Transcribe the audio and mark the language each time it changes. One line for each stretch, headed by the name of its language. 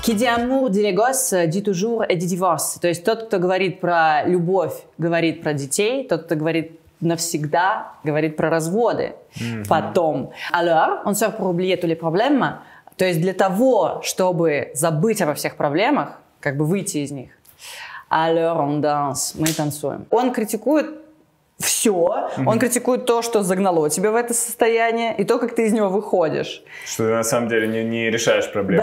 French: Qui dit amour, dit les gosses, dit toujours et dit divorce.
Russian: То есть тот, кто говорит про любовь, говорит про детей, тот, кто говорит навсегда, говорит про разводы. Mm-hmm. Потом
French: «Alors on sort pour oublier tous les problèmes».
Russian: То есть для того, чтобы забыть обо всех проблемах, как бы выйти из них.
French: Alors on danse,
Russian: мы танцуем. Он критикует все. Mm-hmm. Он критикует то, что загнало тебя в это состояние, и то, как ты из него выходишь. Что ты на самом деле не решаешь проблемы.